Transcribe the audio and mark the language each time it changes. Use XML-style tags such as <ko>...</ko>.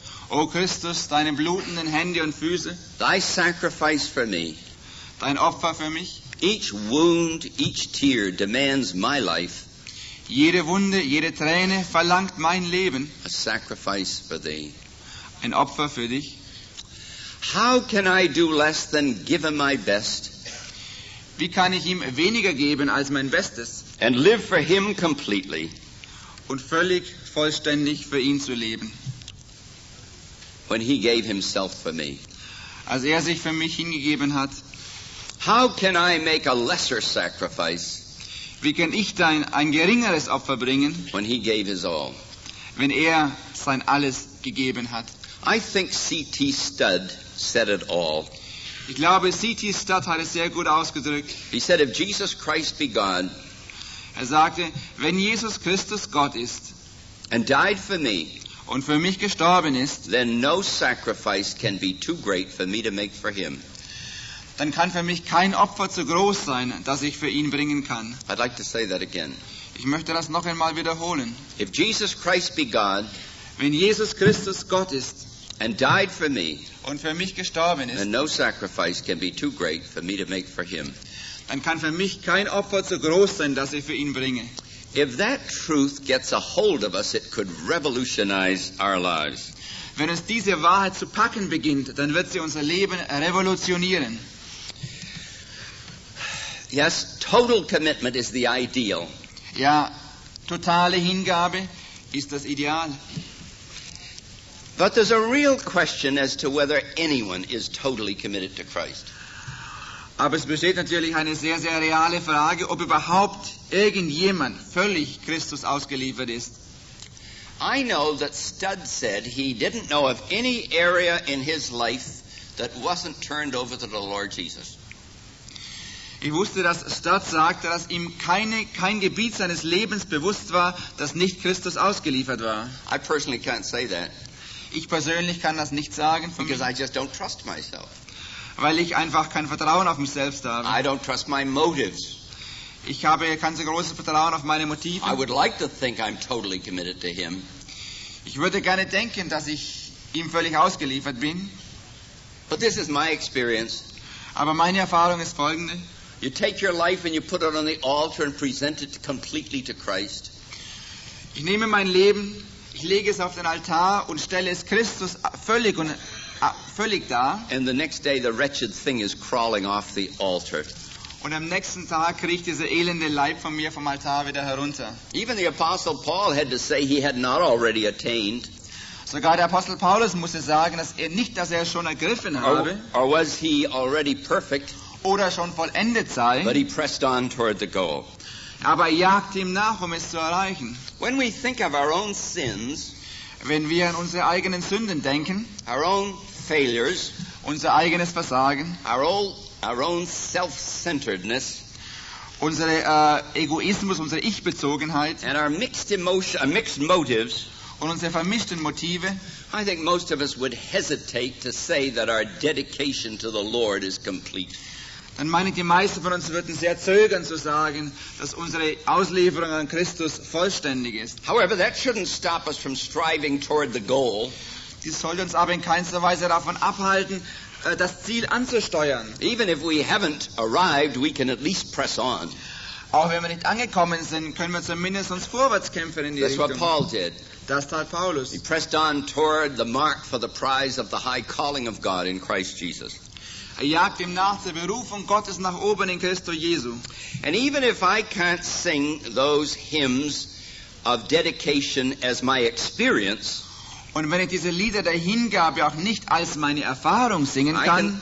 <de>O Christus, deine blutenden Hände und Füße.</de> <en>Thy sacrifice for me.</en> <de>Ein Opfer für mich.</de> <en>Each wound, each tear demands my life.</en> <de>Jede Wunde, jede Träne verlangt mein Leben.</de> <en>A sacrifice for thee.</en> <de>Ein Opfer für dich.</de> <en>How can I do less than give him my best?</en> <de>Wie kann ich ihm weniger geben als mein Bestes?</de> <en>And live for him completely.</en> <de>Und völlig vollständig für ihn zu leben.</de> <en>When he gave himself for me.</en> <de>Als er sich für mich hingegeben hat.</de> <en>How can I make a lesser sacrifice?</en> <de>Wie kann ich dann ein geringeres Opfer bringen?</de> <en>When he gave his all.</en> <de>Wenn er sein Alles gegeben hat.</de> <en>I think C.T. Studd said it all.</en> <de>Ich glaube, C.T. Studd hat es sehr gut ausgedrückt.</de> <en>He said, if Jesus Christ be God,</en> <de>er sagte, wenn Jesus Christus Gott ist,</de> <en>and died for me,</en> <de>und für mich gestorben ist,</de> <en>then no sacrifice can be too great for me to make for him.</en> <de>Dann kann für mich kein Opfer zu groß sein, das ich für ihn bringen kann.</de> <en>I'd like to say that again.</en> <de>Ich möchte das noch einmal wiederholen.</de> <en>If Jesus Christ be God,</en> <de>wenn Jesus Christus Gott ist,</de> <en>and died for me,</en> <de>und für mich gestorben ist,</de> <en>then no sacrifice can be too great for me to make for him.</en> <de>Dann kann für mich kein Opfer zu groß sein, das ich für ihn bringe.</de> <en>If that truth gets a hold of us, it could revolutionize our lives.</en> <de>Wenn es diese Wahrheit zu packen beginnt, dann wird sie unser Leben revolutionieren.</de> <en>Yes, total commitment is the ideal.</en> <de>Ja, totale Hingabe ist das Ideal.</de> <en>But there's a real question as to whether anyone is totally committed to Christ.</en> <de>Aber es besteht natürlich eine sehr, sehr reale Frage, ob überhaupt irgendjemand völlig Christus ausgeliefert ist.</de> <en>I know that Studd said he didn't know of any area in his life that wasn't turned over to the Lord Jesus.</en> <de>Ich wusste, dass Studd sagte, dass ihm kein Gebiet seines Lebens bewusst war, dass nicht Christus ausgeliefert war.</de> <en>I personally can't say that.</en> <de>Ich persönlich kann das nicht sagen.</de> <en>Because I just don't trust myself.</en> <de>Weil ich einfach kein Vertrauen auf mich selbst habe.</de> <en>I don't trust my motives.</en> <de>Ich habe kein so großes Vertrauen auf meine Motive.</de> <en>I would like to think I'm totally committed to him.</en> <de>Ich würde gerne denken, dass ich ihm völlig ausgeliefert bin.</de> <en>But this is my experience.</en> <de>Aber meine Erfahrung ist folgende.</de> <en>You take your life and you put it on the altar and present it completely to Christ.</en> <de>Ich nehme mein Leben, ich lege es auf den Altar und stelle es Christus völlig und völlig da.</de> <en>And the next day the wretched thing is crawling off the altar.</en> <de>Und am nächsten Tag kriecht dieser elende Leib von mir vom Altar wieder herunter.</de> <en>Even the Apostle Paul had to say he had not already attained.</en> <de>Sogar der Apostel Paulus musste sagen, dass er nicht, dass er schon ergriffen habe.</de> <en>Or was he already perfect?</en> <de>Oder schon vollendet sei.</de> <en>But he pressed on toward the goal.</en> <de>Aber er jagte ihm nach, um es zu erreichen.</de> <en>When we think of our own sins,</en> <de>wenn wir an unsere eigenen Sünden denken,</de> <en>our own failures,</en> <de>unser eigenes Versagen,</de> <en>our own self-centeredness,</en> <de>unsere Egoismus, unsere Ich-Bezogenheit,</de> <en>and our mixed motives,</en> <de>und unsere vermischten Motive,</de> <en>I think most of us would hesitate to say that our dedication to the Lord is complete.</en> <de>Dann meine ich, die meisten von uns würden sehr zögern zu sagen, dass unsere Auslieferung an Christus vollständig ist.</de> <en>However, that shouldn't stop us from striving toward the goal.</en> <de>Dies sollte uns aber in keinster Weise davon abhalten, das Ziel anzusteuern.</de> <en>Even if we haven't arrived, we can at least press on.</en> <de>Auch wenn wir nicht angekommen sind, können wir zumindest uns vorwärts kämpfen in die</de> <en>That's</en> <de>Richtung.</de> <en>What Paul did.</en> <de>Das tat Paulus.</de> <en>He pressed on toward the mark for the prize of the high calling of God in Christ Jesus.</en> <de>Er jagt ihm nach der Berufung Gottes nach oben in Christo Jesu.</de> <en>And even if I can't sing those hymns of dedication as my experience,</en> <de>und wenn ich diese Lieder der Hingabe auch nicht als meine Erfahrung singen kann,</de>